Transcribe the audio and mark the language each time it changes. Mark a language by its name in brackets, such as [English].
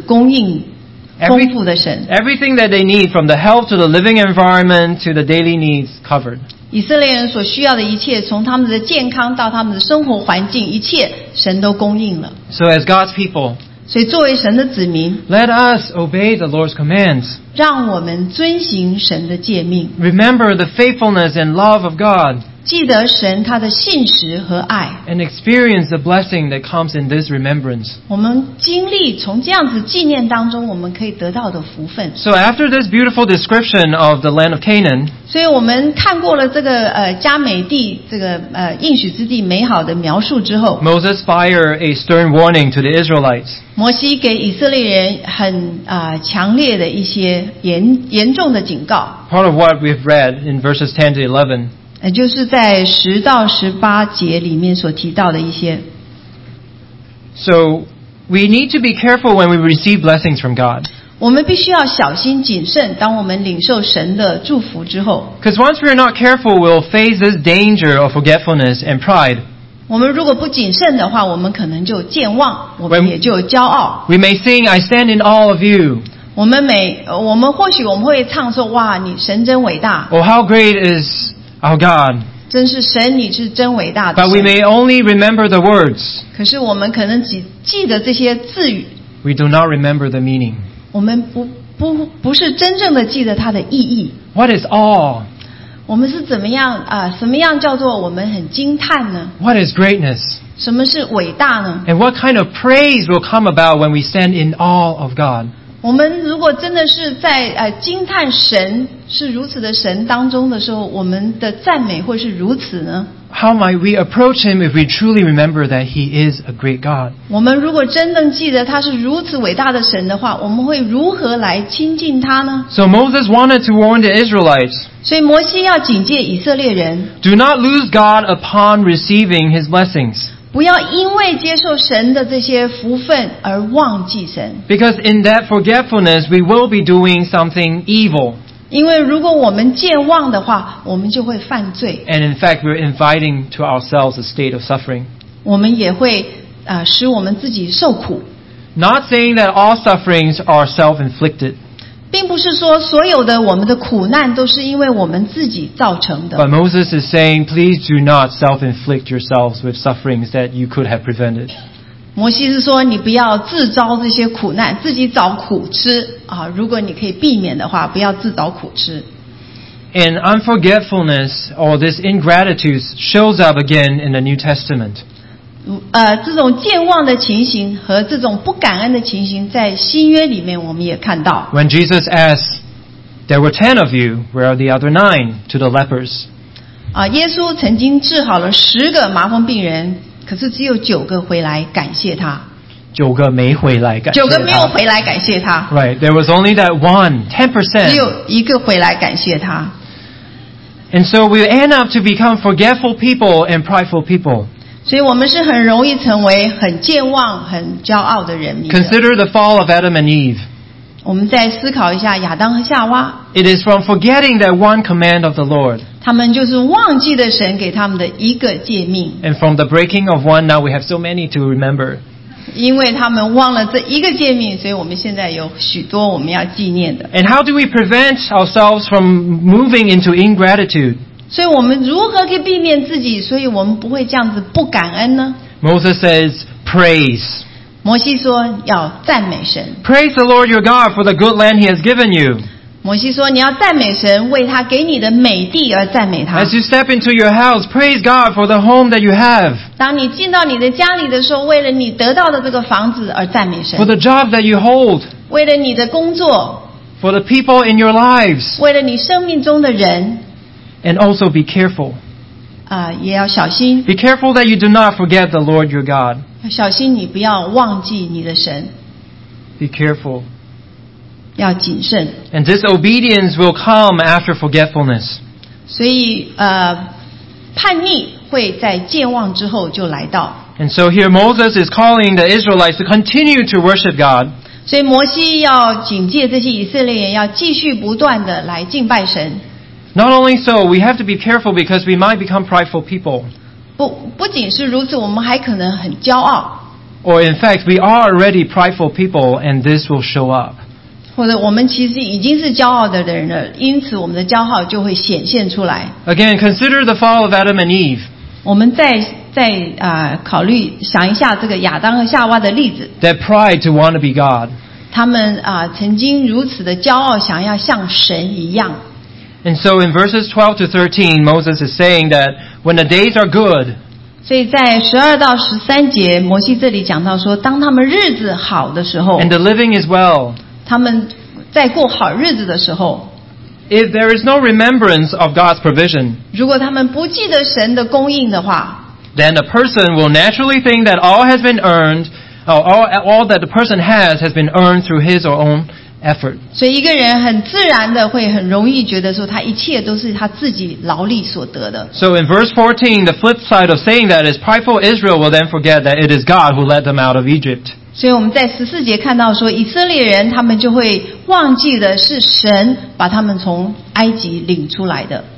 [Chinese] 我们看到神他是如此供应丰富的神。 [English] Everything that they need, from the health to the living environment to the daily needs, covered. [Chinese] 以色列人所需要的一切从他们的健康到他们的生活环境一切神都供应了。 [English] So as God's people, [Chinese] 所以作为神的子民, [English] let us obey the Lord's commands. [Chinese] 让我们遵行神的诫命。 [English] Remember the faithfulness and love of God. [Chinese] 记得神他的信实和爱。 [English] And experience the blessing that comes in this remembrance. [Chinese] 我们经历从这样子纪念当中我们可以得到的福分。 [English] So after this beautiful description of the land of Canaan, [Chinese] 所以我们看过了这个迦美地这个应许之地美好的描述之后。 [English] Moses fired a stern warning to the Israelites. [Chinese] 摩西给以色列人很强烈的一些严重的警告。 [English] Part of what we've read in verses 10 to 11. [Chinese] 也就是在十到十八节里面所提到的一些。 [English] So, we need to be careful when we receive blessings from God. [Chinese] 我们必须要小心谨慎当我们领受神的祝福之后。 [English] Because once we are not careful, we'll face this danger of forgetfulness and pride. [Chinese] 我们如果不谨慎的话我们可能就健忘我们也就骄傲。 [English] We may sing, I stand in awe of you. [Chinese] 我们或许我们会唱说哇你神真伟大。 [English] Oh, how great is... Our God. [Chinese] 真是神你是真伟大的神。 [English] But we may only remember the words. [Chinese] 可是我们可能只记得这些字语。 [English] We do not remember the meaning. [Chinese] 我们不是真正的记得它的意义。 [English] What is awe? [Chinese] 我们是怎么样什么样叫做我们很惊叹呢? [English] What is greatness? [Chinese] 什么是伟大呢? [English] And what kind of praise will come about when we stand in awe of God? [Chinese] 我们如果真的是在惊叹神是如此的神当中的时候我们的赞美会是如此呢 [English] How might we approach him if we truly remember that he is a great God? [Chinese] 我们如果真正记得他是如此伟大的神的话我们会如何来亲近他呢 [English] So Moses wanted to warn the Israelites [Chinese] 所以摩西要警戒以色列人 [English] Do not lose God upon receiving his blessings. [Chinese] 不要因为接受神的这些福分而忘记神。 [English] Because in that forgetfulness, we will be doing something evil. [Chinese] 因为如果我们健忘的话，我们就会犯罪。 [English] And in fact, we're inviting to ourselves a state of suffering. [Chinese] 我们也会使我们自己受苦。 [English] Not saying that all sufferings are self-inflicted. [Chinese] 并不是说所有的我们的苦难都是因为我们自己造成的。 [English] But Moses is saying, please do not self-inflict yourselves with sufferings that you could have prevented. [Chinese] 摩西是说你不要自招这些苦难，自己找苦吃啊！如果你可以避免的话，不要自找苦吃。 [English] And unforgetfulness or this ingratitude shows up again in the New Testament. [Chinese] 这种健忘的情形和这种不感恩的情形在新约里面我们也看到 [English] When Jesus asked There were 10 of you Where are the other 9 to the lepers [Chinese] 耶稣曾经治好了十个麻风病人可是只有九个回来感谢他九个没回来感谢他九个没有回来感谢他 [English] Right, there was only that one 10% [Chinese] 只有一个回来感谢他 [English] And so we end up to become forgetful people and prideful people [Chinese] 所以我们是很容易成为很健忘、很骄傲的人民的。 [English] Consider the fall of Adam and Eve. [Chinese] 我们再思考一下亚当和夏娃。 [English] It is from forgetting that one command of the Lord. [Chinese] 他们就是忘记了神给他们的一个诫命。 [English] And from the breaking of one, now we have so many to remember. [Chinese] 因为他们忘了这一个诫命，所以我们现在有许多我们要纪念的。 [English] And how do we prevent ourselves from moving into ingratitude? [Chinese] 所以我们如何可以避免自己所以我们不会这样子不感恩呢 [English] Moses says praise [Chinese] 摩西说要赞美神 [English] Praise the Lord your God for the good land he has given you [Chinese] 摩西说你要赞美神为他给你的美地而赞美他 [English] As you step into your house praise God for the home that you have [Chinese] 当你进到你的家里的时候为了你得到的这个房子而赞美神 [English] For the job that you hold [Chinese] 为了你的工作 [English] For the people in your lives [Chinese] 为了你生命中的人 [English] And also be careful. [Chinese] 也要小心。 [English] Be careful that you do not forget the Lord your God. [Chinese] 小心你不要忘记你的神。 [English] Be careful. [Chinese] 要谨慎。 [English] And disobedience will come after forgetfulness. [Chinese] 所以叛逆会在健忘之后就来到。 [English] And so here Moses is calling the Israelites to continue to worship God. [Chinese] 所以摩西要警戒这些以色列人要继续不断的来敬拜神。 [English] Not only so, we have to be careful because we might become prideful people. [Chinese] 不仅是如此，我们还可能很骄傲。 [English] Or in fact, we are already prideful people, and this will show up. [Chinese] 或者我们其实已经是骄傲的人了，因此我们的骄傲就会显现出来。 [English] Again, consider the fall of Adam and Eve. [Chinese] 我们再考虑想一下这个亚当和夏娃的例子。 [English] That pride to want to be God. [Chinese] 他们曾经如此的骄傲，想要像神一样。 [English] And so in verses 12 to 13, Moses is saying that when the days are good, [Chinese] 所以在12到13节，摩西这里讲到说，当他们日子好的时候， [English] and the living is well, [Chinese] 他们在过好日子的时候， [English] if there is no remembrance of God's provision, [Chinese] 如果他们不记得神的供应的话， [English] then a person will naturally think that all has been earned, all that the person has been earned through his or own effort. [Chinese] 所以一个人很自然的会很容易觉得说他一切都是他自己劳力所得的。 [English] So in verse 14, the flip side of saying that is prideful Israel will then forget that it is God who led them out of Egypt. [Chinese] 所以我们在14节看到说以色列人他们就会忘记的是神把他们从埃及领出来的。